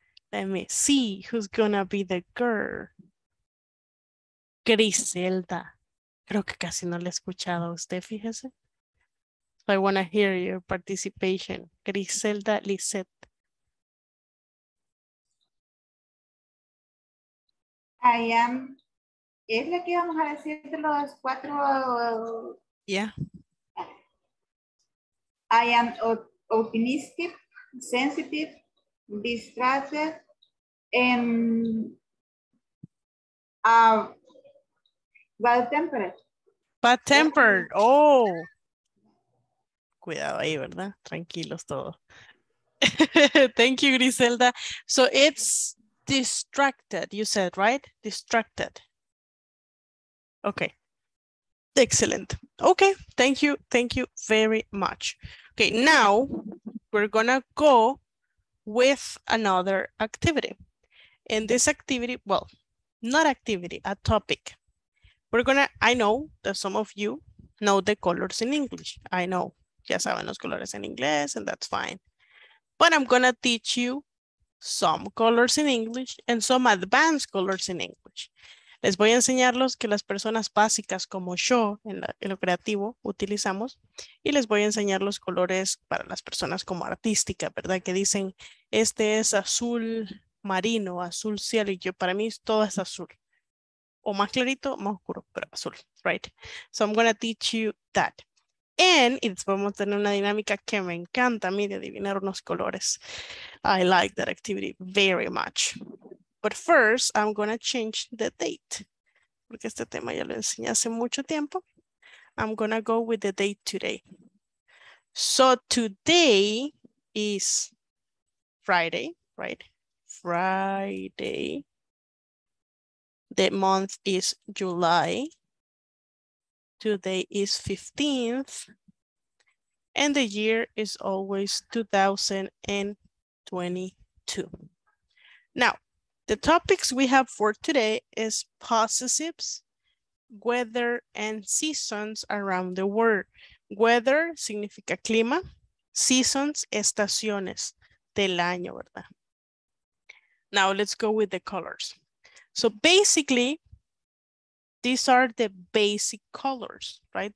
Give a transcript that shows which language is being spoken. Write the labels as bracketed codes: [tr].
[en] Let me see who's gonna be the girl. Griselda. [es] Creo que casi no le he escuchado a usted, fíjese. [en] So I want to hear your participation. Griselda Lisette. I am. [es] ¿Es la que vamos a decir de los cuatro? [en] Yeah. I am optimistic, sensitive, distracted, and bad-tempered. Bad-tempered, oh. [es] Cuidado ahí, ¿verdad? Tranquilos todos. [en] Thank you, Griselda. So it's distracted, you said, right? Distracted. Okay. Excellent. Okay. Thank you. Thank you very much. Okay. Now we're gonna go with another activity. In this activity, well, not activity, a topic. We're gonna, I know that some of you know the colors in English. I know. [es] Ya saben los colores en inglés, [en] and that's fine. But I'm gonna teach you some colors in English and some advanced colors in English. [es] Les voy a enseñar los que las personas básicas como yo en lo creativo utilizamos. Y les voy a enseñar los colores para las personas como artística, ¿verdad? Que dicen, este es azul marino, azul cielo. Y yo, para mí todo es azul. O más clarito, más oscuro, pero azul, right? [en] So I'm gonna teach you that. [es] Y después vamos a tener una dinámica que me encanta a mí de adivinar unos colores. [en] I like that activity very much. But first, I'm going to change the date. [es] Porque este tema ya lo enseñé hace mucho tiempo. [en] I'm going to go with the date today. So today is Friday, right? Friday. The month is July. Today is 15th, and the year is always 2022. Now, the topics we have for today is possessives, weather, and seasons around the world. [es] Weather significa clima, seasons, estaciones del año, ¿verdad? [en] Now, let's go with the colors. So basically, these are the basic colors, right?